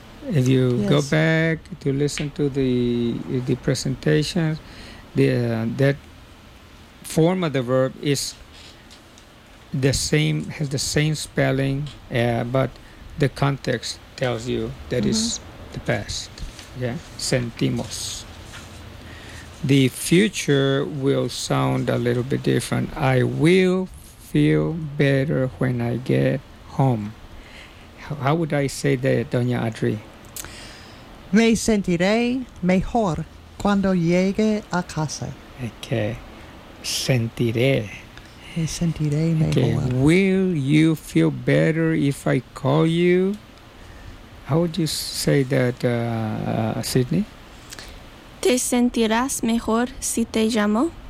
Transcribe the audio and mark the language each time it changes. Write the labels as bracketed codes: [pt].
[en] If you go back to listen to the presentation, that form of the verb is the same, has the same spelling, but the context tells you that is the past. Yeah, sentimos. The future will sound a little bit different. I will feel better when I get home. How would I say that, Doña Audrey? [es] Me sentiré mejor cuando llegue a casa. Okay. Sentiré. Me sentiré mejor. Okay. [en] Will you feel better if I call you? How would you say that, Sydney? [es] ¿Te sentirás mejor si te llamo?